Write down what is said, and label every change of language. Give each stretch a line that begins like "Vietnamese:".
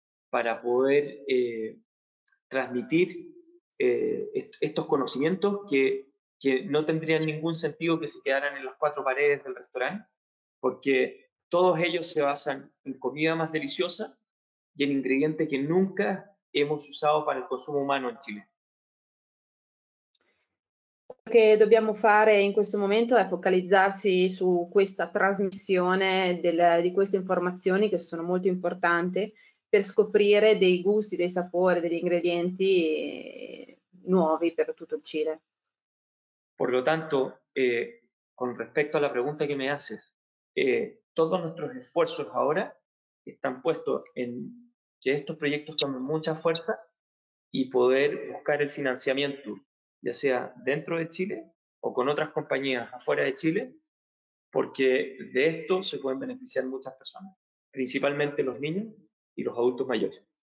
Spanish: para poder transmitir estos conocimientos que no tendrían ningún sentido que se quedaran en las 4 paredes del restaurante, porque todos ellos se basan en comida más deliciosa y en ingredientes que nunca hemos usado para el consumo humano en Chile.
Italian: Che dobbiamo fare in questo momento è focalizzarsi su questa trasmissione di queste informazioni che sono molto importanti per scoprire dei gusti, dei sapori, degli ingredienti nuovi per tutto il Cile.
Spanish: Por lo tanto, con respecto alla pregunta che mi haces, todos nuestros esfuerzos ahora están puestos en que estos proyectos tomen mucha fuerza y poder buscar el financiamiento, ya sea dentro de Chile o con otras compañías afuera de Chile, porque de esto se pueden beneficiar muchas personas, principalmente los niños y los adultos mayores.